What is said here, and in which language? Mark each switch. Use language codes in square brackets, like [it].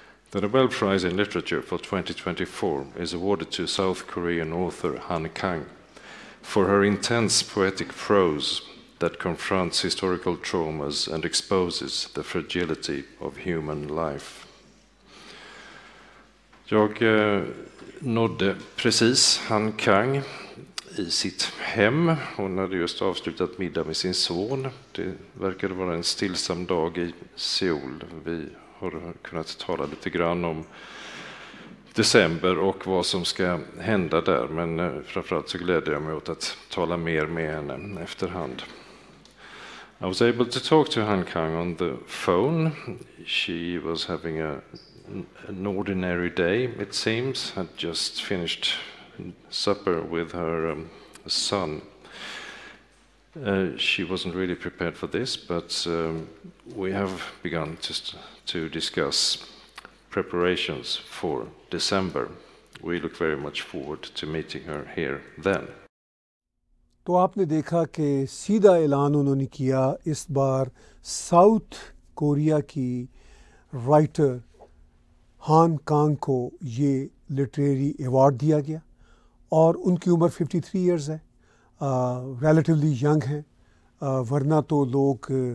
[en] The Nobel Prize in Literature for 2024 is awarded to South Korean author Han Kang for her intense poetic prose that confronts historical traumas and exposes the fragility of human life. [sv] Jag nådde precis Han Kang I sitt hem. Hon hade just avslutat middag med sin son. Det verkade vara en stillsam dag I Seoul. Vi har kunnat tala lite grann om december och vad som ska hända där, men framförallt så glädjer jag mig åt att tala mer med henne efterhand. [en] I was able to talk to Han Kang on the phone. She was having an ordinary day, it seems, had just finished supper with her son. She wasn't really prepared for this, but we have begun to discuss preparations for December. We look very much forward to meeting her here then. [hi] तो आपने देखा कि सीधा ऐलान उन्होंने किया, इस बार south Korea की राइटर हान कांग को ये लिटरेरी अवार्ड दिया गया, और उनकी उम्र 53 ईयर्स है, रिलेटिवली यंग हैं, वरना तो लोग